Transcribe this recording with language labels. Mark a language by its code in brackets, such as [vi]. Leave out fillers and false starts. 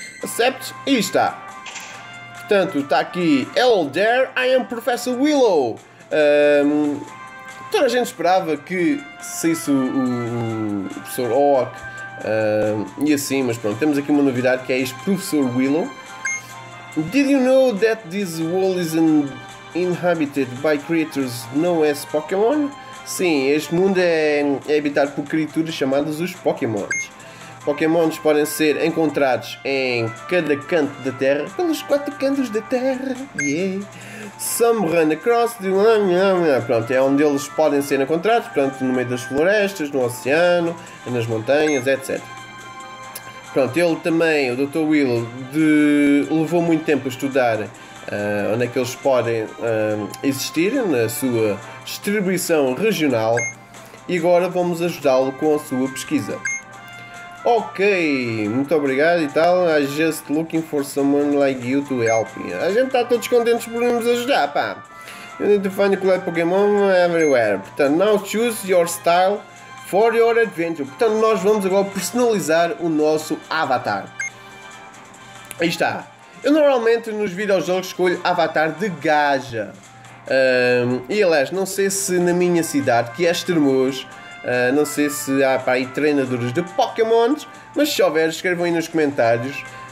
[pt] Accept e está. Portanto, está aqui: [en] Hello there, I am Professor Willow. [pt] Toda a gente esperava que saísse o Professor Oak e assim, mas pronto, temos aqui uma novidade que é este Professor Willow. [en] Did you know that this world is inhabited by creatures known as Pokémon? [pt] Sim, este mundo é habitado por criaturas chamadas os Pokémons. Pokémons podem ser encontrados em cada canto da Terra. Pelos quatro cantos da Terra! Yeah! [en] Some run across the... [pt] Pronto, é onde eles podem ser encontrados. Pronto, no meio das florestas, no oceano, nas montanhas, etc. Pronto, ele também, o Dr. Will, levou muito tempo a estudar onde é que eles podem existir na sua distribuição regional, e agora vamos ajudá-lo com a sua pesquisa. Ok, muito obrigado e tal. [en] I'm just looking for someone like you to help me. [pt] A gente está todos contentes por nos ajudar, pá. [en] You need to find a collect Pokémon everywhere. Portanto, now choose your style for your adventure. [pt] Portanto, nós vamos agora personalizar o nosso avatar. Aí está. Eu normalmente nos videojogos escolho avatar de gaja. E aliás, não sei se na minha cidade, que é Estremoz, não sei se há para aí treinadores de Pokémons, mas se houver, escrevam aí nos comentários.